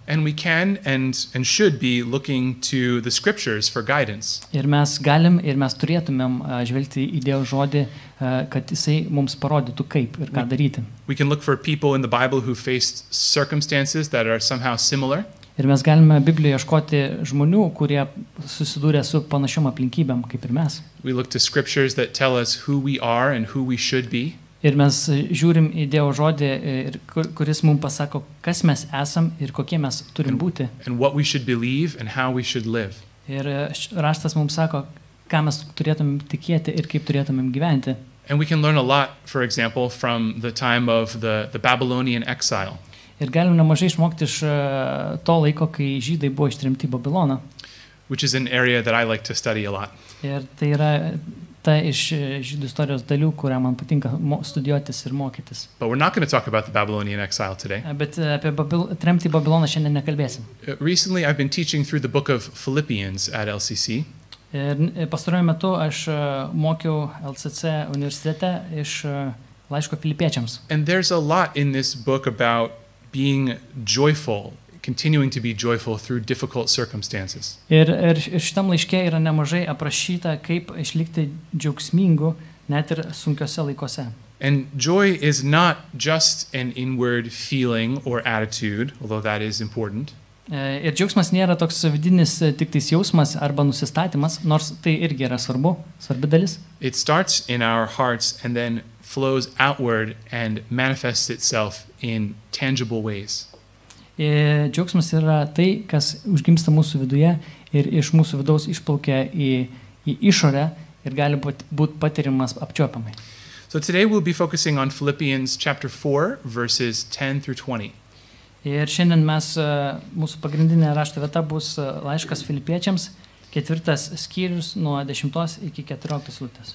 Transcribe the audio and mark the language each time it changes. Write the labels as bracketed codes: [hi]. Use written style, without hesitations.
[en] And we can and should be looking to the scriptures for guidance. [lt] Ir mes galim ir mes turėtumėm žvelgti į Dievo žodį, kad jisai mums parodytų kaip ir ką daryti. [en] We can look for people in the Bible who faced circumstances that are somehow similar. [lt] Ir mes galime Biblijoje ieškoti žmonių, kurie susidūrė su panašiom aplinkybėm kaip ir mes. [en] We look to scriptures that tell us who we are and who we should be. [lt] Ir mes žiūrim į Dievo žodį, ir kuris mums pasako, kas mes esam ir kokie mes turim būti. [en] And what we should believe and how we should live. [lt] Ir raštas mums sako, ką mes turėtumėm tikėti ir kaip turėtumėm gyventi. [en] And we can learn a lot, for example, from the time of the Babylonian exile. [lt] Ir galim nemažai išmokti iš to laiko, kai žydai buvo ištremti į Babiloną. [en] Which is an area that I like to study a lot. [lt] Ir tai yra ta iš žydų istorijos dalių, kurią man patinka studijuotis ir mokytis. [en] But we're not going to talk about the Babylonian exile today. [lt] Bet apie tremtį į Babiloną šiandien nekalbėsim. [en] Recently I've been teaching through the book of Philippians at LCC. [lt] Ir pastaruoju metu aš mokiau LCC universitete iš laiško Filipiečiams. [en] And there's a lot in this book about being joyful, continuing to be joyful through difficult circumstances. [lt] Ir šitam laiške yra nemažai aprašyta, kaip išlikti džiaugsmingu net ir sunkiose laikose. [en] And joy is not just an inward feeling or attitude, although that is important. [lt] Ir džiaugsmas nėra toks vidinis tiktais jausmas arba nusistatymas, nors tai irgi yra svarbi dalis. [en] It starts in our hearts and then flows outward and manifests itself in tangible ways. [lt] Džiaugsmas yra tai, kas užgimsta mūsų viduje ir iš mūsų vidaus išplaukia į išorę ir gali būti patiriamas apčiuopiamai. [en] So today we'll be focusing on Philippians chapter 4 verses 10 through 20. [lt] Ir šiandien mes mūsų pagrindinė rašto vieta bus laiškas Filipiečiams, ketvirtas skyrius nuo 10 iki 14 eilutės.